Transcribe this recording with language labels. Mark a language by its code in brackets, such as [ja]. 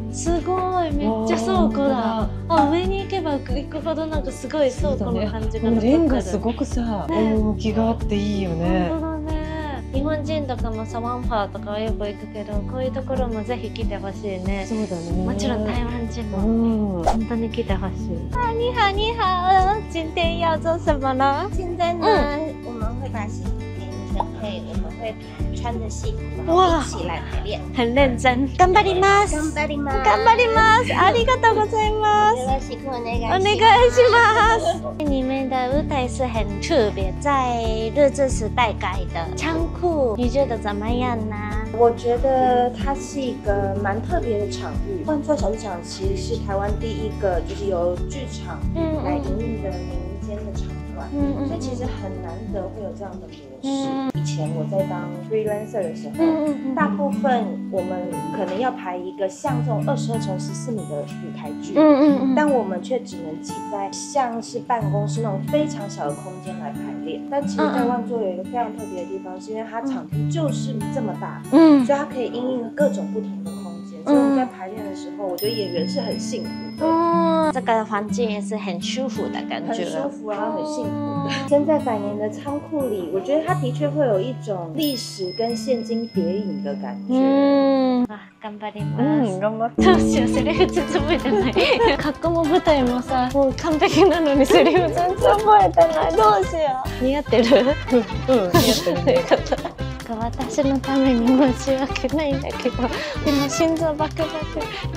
[ja] すごい、めっちゃ倉庫だ。あ、上に行けば行くほどなんかすごい倉庫の感じが、ね、レンガすごくさ、ね、趣があっていいよね。本当だね。日本人とかもサワンファーとかはよく行くけど、こういうところもぜひ来てほしいね。そうだね。もちろん台湾人も、本当に来てほしい。 [zh] ハニハニハ、今天要做什么呢？今天呢、我们会把戏配，我们会穿着戏服，然后一起来排练，很认真。 [ja] 頑張ります。頑張ります。頑張ります。ありがとうございます。よろしくお願いします。お願いします。 [zh] 你们的舞台是很特别，在日治时代改的仓库，你觉得怎么样呢？我觉得它是一个蛮特别的场域。幻策小剧场其实是台湾第一个，就是由剧场来营运的民间的场馆，所以其实很难得会有这样的。以前我在当 freelancer 的时候，大部分我们可能要排一个像这种22x14米的舞台剧，但我们却只能挤在像是办公室那种非常小的空间来排练。但其实在万座有一个非常特别的地方，是因为它场地就是这么大，所以它可以因应各种不同的空间。所以我们在排练的时候，我觉得演员是很幸福的。这个环境也是很舒服的感觉，很舒服啊，很幸福的。现在百年的仓库里，我觉得它的确会有一种历史跟现今叠影的感觉。 [ja] 頑張ります。頑張って。どうしよう、セリフ全然覚えてない。格好も舞台もさ、もう完璧なのにセリフ全然覚えてない。どうしよう。似合ってる？うん、似合ってる。私のために申し訳ないんだけど、今心臓バクバク。